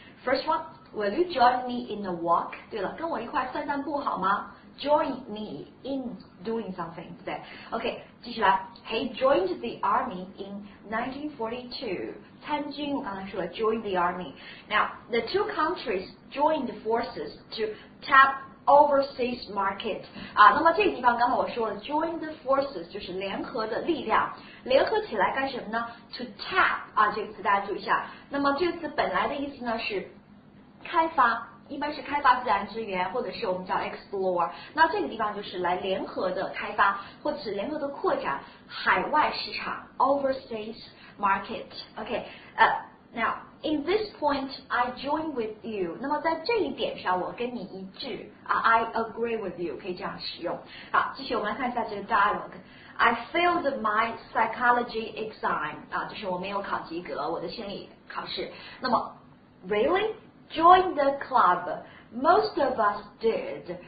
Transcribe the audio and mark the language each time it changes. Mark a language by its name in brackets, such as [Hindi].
[English] First one, will you join me in a walk? [Chinese] 对了，跟我一块散散步好吗？ [English] Join me in doing something, [Chinese] 对不对？ [English] OK, [Chinese] 继续来。 [English] He joined the army in 1942. [Chinese] 参军，我刚才说了， [English] join the army. Now, the two countries joined forces to tap overseas market. [Chinese] 那么这个地方刚才我说了， [English] join the forces [Chinese] 就是联合的力量。联合起来干什么呢？ [English] To tap [Chinese] 这个词大家注意一下。那么这个词本来的意思呢是开发，一般是开发自然资源，或者是我们叫 explore。那这个地方就是来联合的开发，或者是联合的扩展海外市场 [English] overseas market. OK， now in this point I join with you. [Chinese] 那么在这一点上我跟你一致。 [English] I agree with you [Chinese] 可以这样使用。好，继续我们来看一下这个 dialogue。 [English] I failed my psychology exam. [Chinese] 就是我没有考及格，我的心理考试。那么 ，really? [English] Join the club. Most of us did.